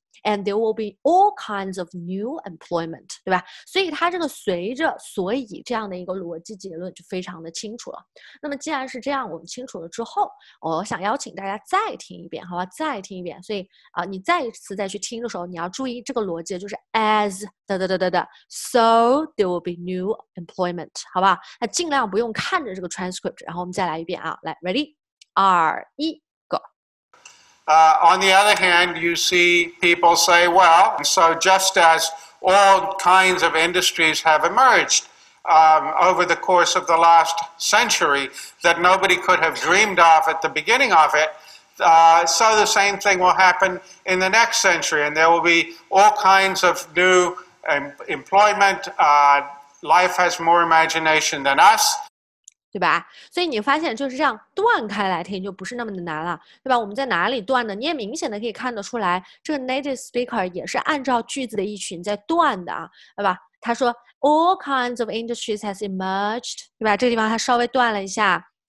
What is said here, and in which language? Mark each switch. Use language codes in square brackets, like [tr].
[en] And there will be all kinds of new employment. [zh] 对吧？所以他这个随着所以这样的一个逻辑结论就非常的清楚了。那么既然是这样，我们清楚了之后，我想邀请大家再听一遍，好吧？再听一遍。所以啊，你再一次再去听的时候，你要注意这个逻辑，就是 as 哒哒哒哒哒 ， [en] so there will be new employment， [zh] 好吧？那尽量不用看着这个 transcript， 然后我们再来一遍啊，来 ，ready， 二一 ，go。 [en] On the other hand, you see people say, well, so just as all kinds of industries have emerged over the course of the last century that nobody could have dreamed of at the beginning of it. So the same thing will happen in the next century, and there will be all kinds of new employment. Life has more imagination than us. [zh] 对吧？所以你发现就是这样断开来听就不是那么的难了，对吧？我们在哪里断的？你也明显的可以看得出来，这个 native speaker 也是按照句子的一群在断的啊，对吧？他说 [en] all kinds of industries has emerged， [zh] 对吧？这个地方他稍微断了一下。